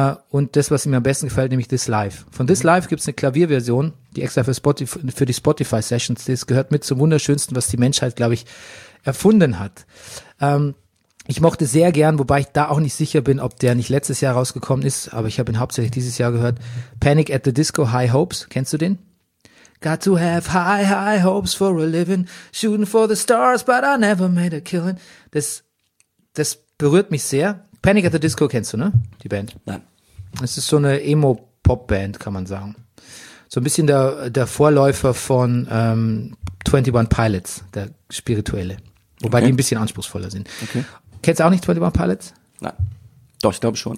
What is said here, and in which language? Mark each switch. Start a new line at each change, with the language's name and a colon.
German: Und das, was mir am besten gefällt, nämlich This Life. Von This Life gibt's eine Klavierversion, die extra für die Spotify Sessions, das gehört mit zum wunderschönsten, was die Menschheit, glaube ich, erfunden hat. Ich mochte sehr gern, wobei ich da auch nicht sicher bin, ob der nicht letztes Jahr rausgekommen ist, aber ich habe ihn hauptsächlich dieses Jahr gehört.
English: Panic at the Disco, High Hopes.
German: Kennst du den?
English: Got to have high, high hopes for a living, shooting for the stars, but I never made a killing.
German: Das berührt mich sehr. Panic at the Disco kennst du, ne? Die Band. Nein. Es ist so eine Emo-Pop-Band, kann man sagen. So ein bisschen der Vorläufer von 21 Pilots, der Spirituelle. Wobei die ein bisschen anspruchsvoller sind. Okay. Kennst du auch nicht 21 Pilots? Nein. Doch, ich glaube schon.